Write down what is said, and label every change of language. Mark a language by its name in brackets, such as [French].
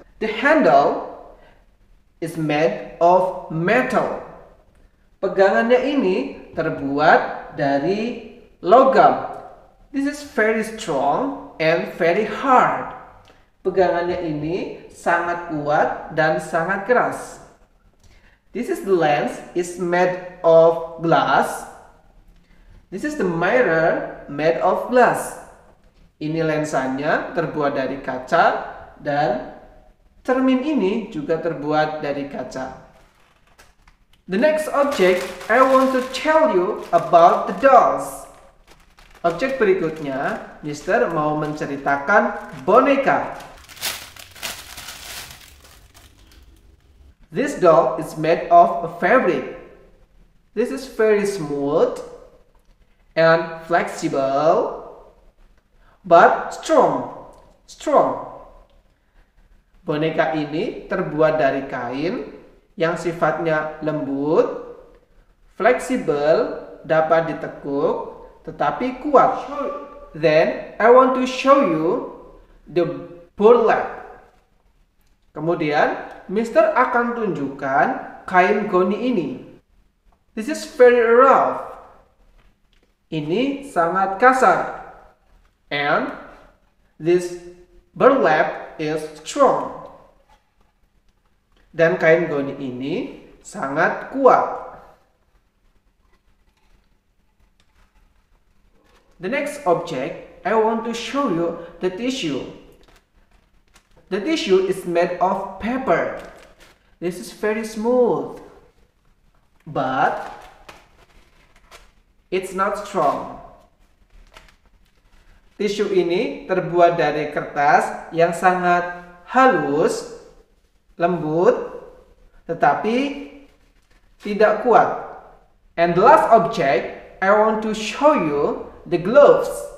[English] The handle is made of metal. [Indonesian] Pegangannya ini terbuat dari logam. [English] This is very strong and very hard. [Indonesian] Pegangannya ini sangat kuat dan sangat keras. [English] This is the lens is made of glass. This is the mirror made of glass. [Indonesian] Ini lensanya terbuat dari kaca dan cermin ini juga terbuat dari kaca. [English] The next object I want to tell you about the dolls. [Indonesian] Objek berikutnya, Mister mau menceritakan boneka. [English] This doll is made of a fabric. This is very smooth and flexible, but strong. Strong. [Indonesian] Boneka ini terbuat dari kain yang sifatnya lembut, fleksibel, dapat ditekuk, tetapi kuat. [English] Then I want to show you the burlap. [Indonesian] Kemudian Mister akan tunjukkan kain goni ini. [English] This is very rough. [Indonesian] Ini sangat kasar. [English] And this burlap is strong. [Indonesian] Dan kain goni ini sangat kuat. [English] The next object, I want to show you the tissue. The tissue is made of paper. This is very smooth, but it's not strong. [Indonesian] Tissue ini terbuat dari kertas yang sangat halus, lembut, tetapi tidak kuat. [English] And the last object, I want to show you the gloves.